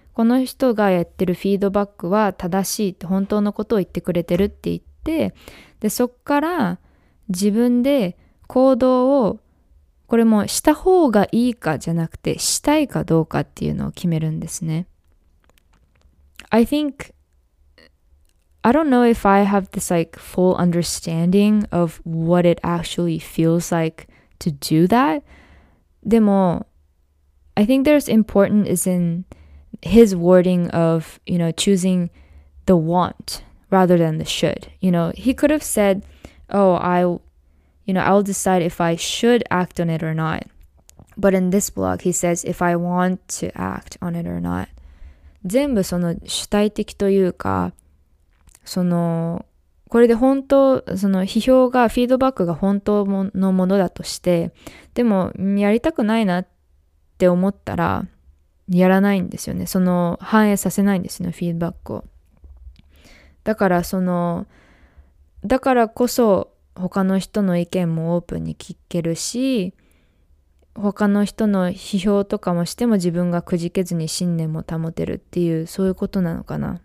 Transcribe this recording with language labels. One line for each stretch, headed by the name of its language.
Japanese: この人がやってるフィードバックは正しいって、本当のことを言ってくれてるって言って、でそっから自分で行動を、これもした方がいいかじゃなくて、したいかどうかっていうのを決めるんですね。
English: I think I don't know if I have this like full understanding of what it actually feels like to do that.
Japanese: でも
English: I think there's important is in his wording of, you know, choosing the want rather than the should. You know, he could have said, oh, I'll decide if I should act on it or not. But in this blog, he says, if I want to act on it or not.
Japanese: 全部その主体的というか、そのこれで本当、その批評が、フィードバックが本当のものだとして、でもやりたくないなって思ったらやらないんですよね。その反映させないんですよね、フィードバックを。だからそのだからこそ他の人の意見もオープンに聞けるし、他の人の批評とかもしても自分がくじけずに信念も保てるっていう、そういうことなのかな。